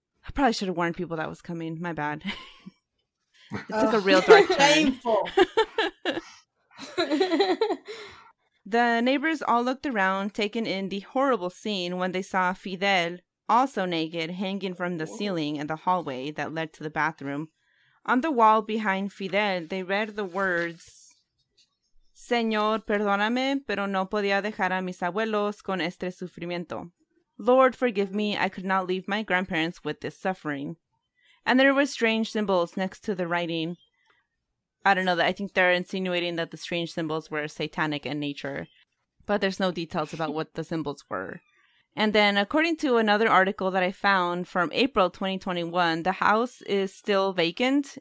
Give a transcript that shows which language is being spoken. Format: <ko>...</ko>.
<en>I probably should have warned people that was coming. My bad. It took a real dark turn. Painful. The neighbors all looked around, taking in the horrible scene when they saw Fidel, also naked, hanging from the ceiling in the hallway that led to the bathroom. On the wall behind Fidel, they read the words,</en> <es>Señor, perdóname, pero no podía dejar a mis abuelos con este sufrimiento.</es> <en>Lord, forgive me, I could not leave my grandparents with this suffering. And there were strange symbols next to the writing. I don't know, that I think they're insinuating that the strange symbols were satanic in nature, but there's no details about what the symbols were. And then, according to another article that I found from April 2021, the house is still vacant.</en>